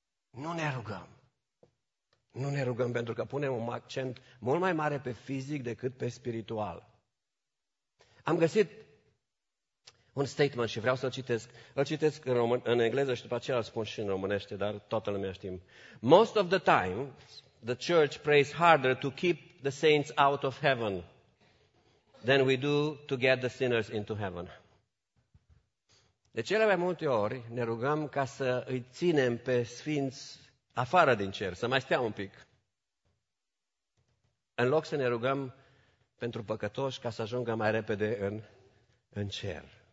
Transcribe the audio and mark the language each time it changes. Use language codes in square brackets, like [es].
[ro] Nu ne rugăm. Nu ne rugăm pentru că punem un accent mult mai mare pe fizic decât pe spiritual. am găsit un statement și vreau să-l citesc. Îl citesc în, în engleză și după aceea îl spun și în românește, dar toată lumea știm. [en] Most of the time, the church prays harder to keep the saints out of heaven than we do to get the sinners into heaven. [ro] De cele mai multe ori ne rugăm ca să îi ținem pe sfinți afară din cer, să mai stea un pic. În loc să ne rugăm pentru păcătoși ca să ajungă mai repede în cer.